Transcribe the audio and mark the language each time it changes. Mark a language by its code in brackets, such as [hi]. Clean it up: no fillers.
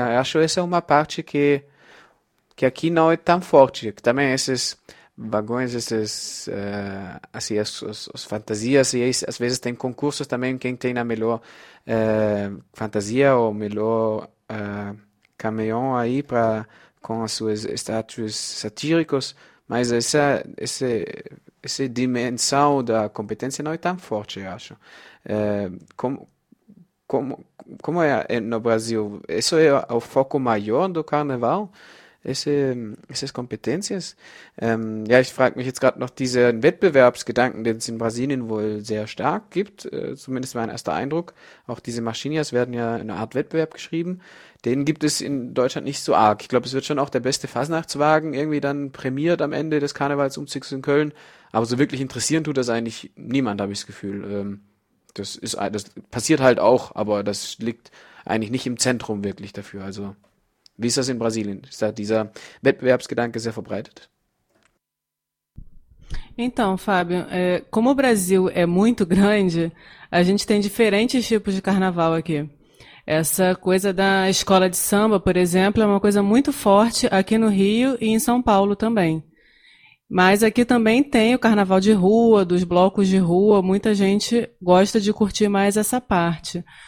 [pt] Eu acho essa é uma parte que aqui não é tão forte, que também esses vagões, esses assim, as fantasias, e aí, às vezes tem concursos também, quem tem a melhor fantasia ou melhor caminhão aí para com as suas estátuas satíricos, mas essa dimensão da competência não é tão forte, eu acho. Como é no Brasil? Isso é o foco maior do carnaval? [de] Ist es Competencias? Ja, ich frage mich jetzt gerade noch diesen Wettbewerbsgedanken, den es in Brasilien wohl sehr stark gibt. Zumindest mein erster Eindruck. Auch diese Maschinias werden ja in einer Art Wettbewerb geschrieben. Den gibt es in Deutschland nicht so arg. Ich glaube, es wird schon auch der beste Fasnachtswagen irgendwie dann prämiert am Ende des Karnevalsumzugs in Köln. Aber so wirklich interessieren tut das eigentlich niemand, habe ich das Gefühl. Das passiert halt auch, aber das liegt eigentlich nicht im Zentrum wirklich dafür. Also, wie ist das in Brasilien? Ist da dieser Wettbewerbsgedanke sehr verbreitet? [pt] Então, Fábio, como o Brasil é muito grande, a gente tem diferentes tipos de carnaval aqui. Essa coisa da escola de samba, por exemplo, é uma coisa muito forte aqui no Rio e em São Paulo também. Mas aqui também tem o carnaval de rua, dos blocos de rua, muita gente gosta de curtir mais essa parte.